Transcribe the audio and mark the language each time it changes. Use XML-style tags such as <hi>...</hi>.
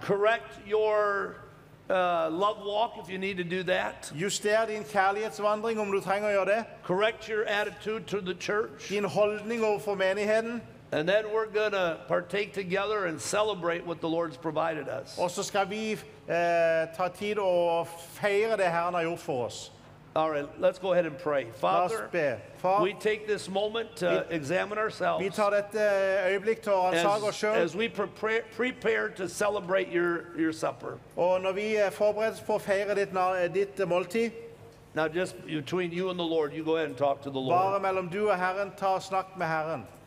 <en>Correct your love walk if you need to do that.</en> <no>Juster din kjærlighetsvandring om du trenger å gjøre det.</no> <en>Correct your attitude to the church.</en> <no>Din holdning overfor menigheten.</no> <en>And then we're going to partake together and celebrate what the Lord's provided us.</en> <no>Og så skal vi ta tid og feire det Herren har gjort for oss.</no> <en>All right, let's go ahead and pray. Father, we take this moment to examine ourselves.</en> <no>Vi tar dette øyeblikk til å ransake oss selv.</no> <en>As we prepare to celebrate your supper.</en> <no>Og når vi forbereder oss på å feire ditt måltid.</no> <en>Now just between you and the Lord, you go ahead and talk to the Lord.</en> <no>Bare mellom du og Herren, ta og snakk med Herren.</no>